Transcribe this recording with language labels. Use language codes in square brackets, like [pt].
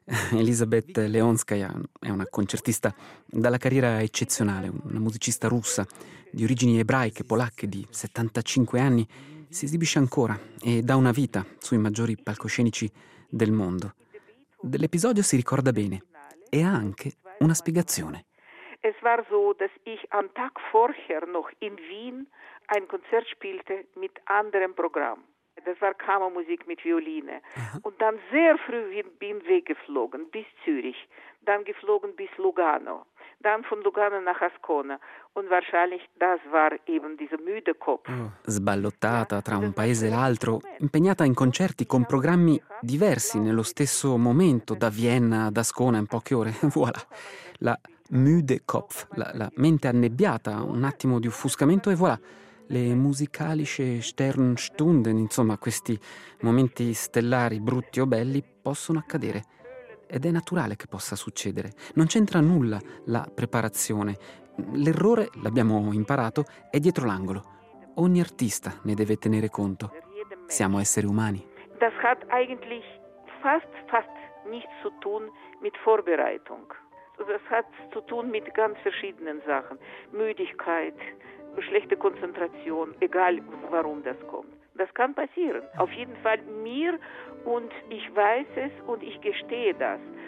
[it] Elisabeth Leonskaya è una concertista dalla carriera eccezionale, una musicista russa di origini ebraiche, polacche, di 75 anni. Si esibisce ancora e dà una vita sui maggiori palcoscenici del mondo. Dell'episodio si ricorda bene e ha anche una spiegazione. [de] Es war so, dass ich am Tag vorher noch in Wien ein Konzert spielte mit anderem Programm. Das war Kammermusik mit Violine. Aha. Und dann sehr früh bin weggeflogen bis Zürich, dann geflogen bis Lugano, dann von Lugano nach Ascona. Und wahrscheinlich das war eben dieser müde Kopf. Oh. [it] Sballottata tra un paese e l'altro, impegnata in concerti con programmi diversi nello stesso momento, da Vienna ad Ascona in poche ore. Voilà. La [de] müde Kopf, [it] la mente annebbiata, un attimo di offuscamento e voilà. Le [de] musicalische Sternstunden, [it] insomma, questi momenti stellari, brutti o belli, possono accadere. Ed è naturale che possa succedere. Non c'entra nulla la preparazione. L'errore, l'abbiamo imparato, è dietro l'angolo. Ogni artista ne deve tenere conto. Siamo esseri umani. [de] Das hat eigentlich fast nichts zu tun mit Vorbereitung. Das hat zu tun mit ganz verschiedenen Sachen. Müdigkeit, schlechte Konzentration, egal warum das kommt. Das kann passieren. Auf jeden Fall mir, und ich weiß es und ich gestehe das.